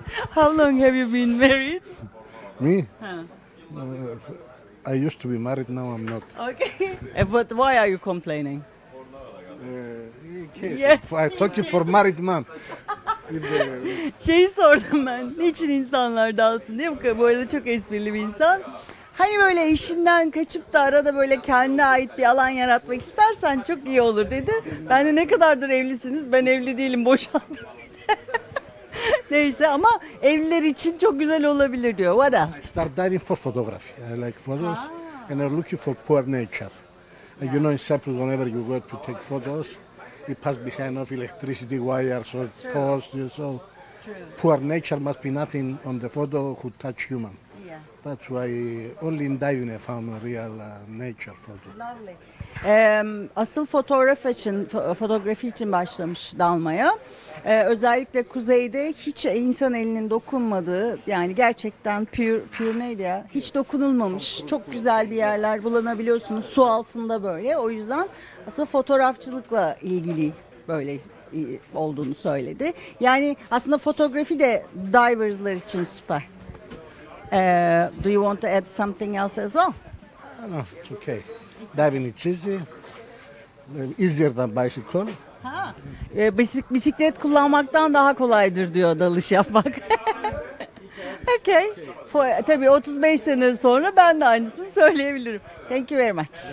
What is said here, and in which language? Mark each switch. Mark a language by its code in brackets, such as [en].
[en] How long have you been married? Me? I used to be married, now I'm not. Okay. But why are you complaining? I talk it for married man. [tr] Şey sordum ben. Niçin insanlar dalsın diye, bu arada çok esprili bir insan. Hani böyle işinden kaçıp da arada böyle kendine ait bir alan yaratmak istersen çok iyi olur dedi. Ben de ne kadardır evlisiniz? Ben evli değilim, boşandım dedi. Neyse ama evliler için çok güzel olabilir diyor. [en] What else? I start diving for photography. I like photos and I'm looking for poor nature. Yeah. You know, in Cyprus, whenever you go to take photos, you pass behind of electricity wires or posts. You know, poor nature must be nothing on the photo who touch human. Yeah. That's why only in diving I found a real nature photo. Lovely. [tr] Asıl fotoğraf için, fotoğraf için başlamış dalmaya. Özellikle kuzeyde hiç insan elinin dokunmadığı, yani gerçekten pure neydi ya, hiç dokunulmamış çok güzel bir yerler bulanabiliyorsunuz su altında böyle. O yüzden aslında fotoğrafçılıkla ilgili böyle olduğunu söyledi. Yani aslında fotoğrafı da diverslar için süper. [en] Do you want to add something else as well? No, it's okay. Diving is easier than bicycle. [tr] Bisiklet kullanmaktan daha kolaydır diyor dalış yapmak. Okay. Tabii 35 sene sonra ben de aynısını söyleyebilirim. [en] Thank you very much.